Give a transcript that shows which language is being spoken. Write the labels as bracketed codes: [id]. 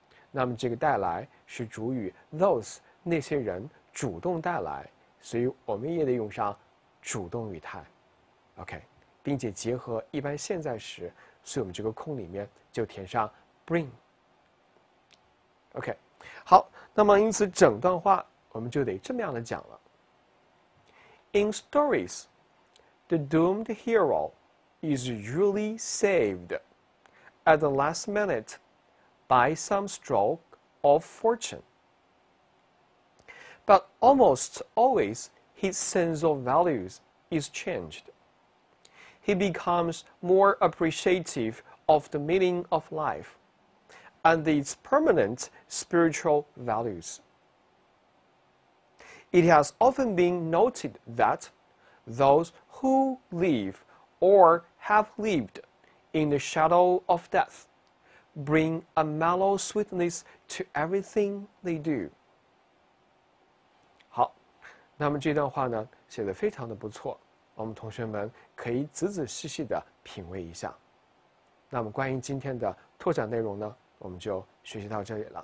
[zh] 那么这个带来是主语 those， 那些人主动带来，所以我们也得用上主动语态。 OK， 并且结合一般现在时，所以我们这个空里面就填上 bring。 OK， 好，那么因此整段话我们就得这么样的讲了。 [en] In stories the doomed hero is really saved at the last minuteby some stroke of fortune. But almost always, his sense of values is changed. He becomes more appreciative of the meaning of life and its permanent spiritual values. It has often been noted that those who live or have lived in the shadow of death,bring a mellow sweetness to everything they do。 [zh] 好，那么这段话呢写得非常的不错，我们同学们可以仔仔细细的品味一下。那么关于今天的拓展内容呢，我们就学习到这里了。